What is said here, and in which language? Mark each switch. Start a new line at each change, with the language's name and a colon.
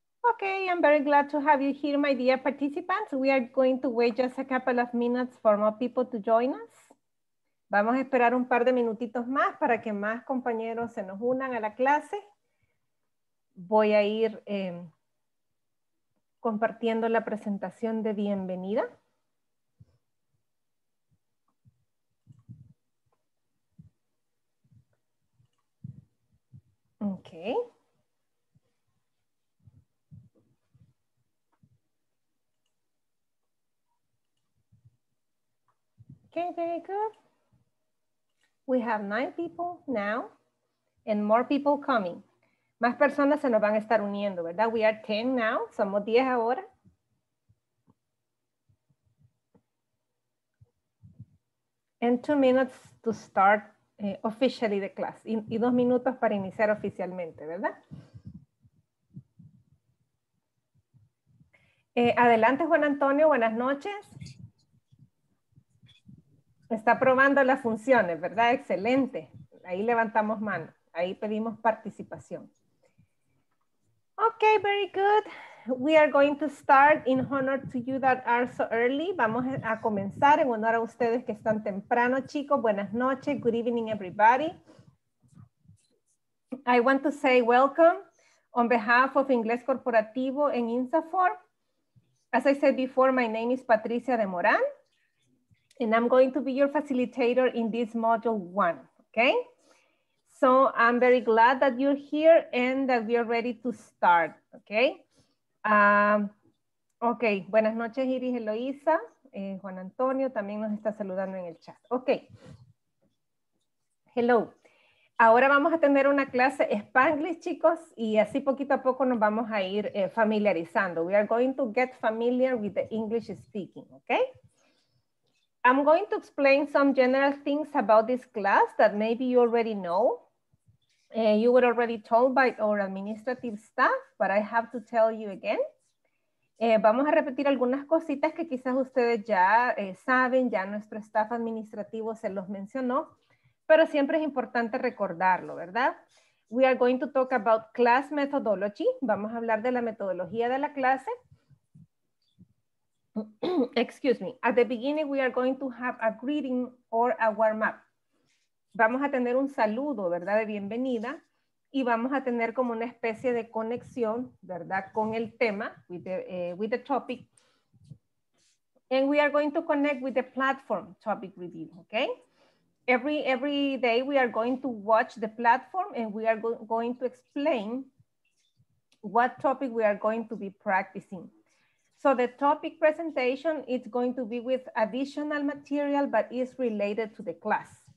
English: Okay, I'm very glad to have you here, my dear participants. We are going to wait just a couple of minutes for more people to join us.
Spanish: Vamos a esperar un par de minutitos más para que más compañeros se nos unan a la clase. Voy a ir compartiendo la presentación de bienvenida.
English: Okay. Okay, very good. We have 9 people now and more people coming.
Spanish: Más personas se nos van a estar uniendo, ¿verdad?
English: We are 10 now,
Spanish: somos 10 ahora.
English: And 2 minutes to start officially the class. Y 2 minutos para iniciar oficialmente, ¿verdad?
Spanish: Adelante, Juan Antonio, buenas noches. Está probando las funciones, ¿verdad? Excelente. Ahí levantamos mano. Ahí pedimos participación.
English: Okay, very good. We are going to start in honor to you that are so early.
Spanish: Vamos a comenzar en honor a ustedes que están temprano, chicos. Buenas noches.
English: Good evening, everybody. I want to say welcome on behalf of Inglés Corporativo en INSAFOR. As I said before, my name is Patricia de Morán. And I'm going to be your facilitator in this module one, okay? So I'm very glad that you're here and that we are ready to start, okay?
Spanish: Okay, buenas noches, Iris Eloisa. Juan Antonio también nos está saludando en el chat. Okay. Hello. Ahora vamos a tener una clase Spanglish, chicos, y así poquito a poco nos vamos a ir familiarizando.
English: We are going to get familiar with the English speaking, okay? I'm going to explain some general things about this class that maybe you already know. You were already told by our administrative staff, but I have to tell you again.
Spanish: Vamos a repetir algunas cositas que quizás ustedes ya saben, ya nuestro staff administrativo se los mencionó, pero siempre es importante recordarlo, ¿verdad?
English: We are going to talk about class methodology.
Spanish: Vamos a hablar de la metodología de la clase.
English: Excuse me. At the beginning, we are going to have a greeting or a warm-up.
Spanish: vamos a tener un saludo, ¿verdad? De bienvenida. Y vamos a tener como una especie de conexión, ¿verdad? Con el tema,
English: with the topic. And we are going to connect with the platform topic review, okay? Every day we are going to watch the platform and we are going to explain what topic we are going to be practicing. So the topic presentation is going to be with additional material, but is related to the class.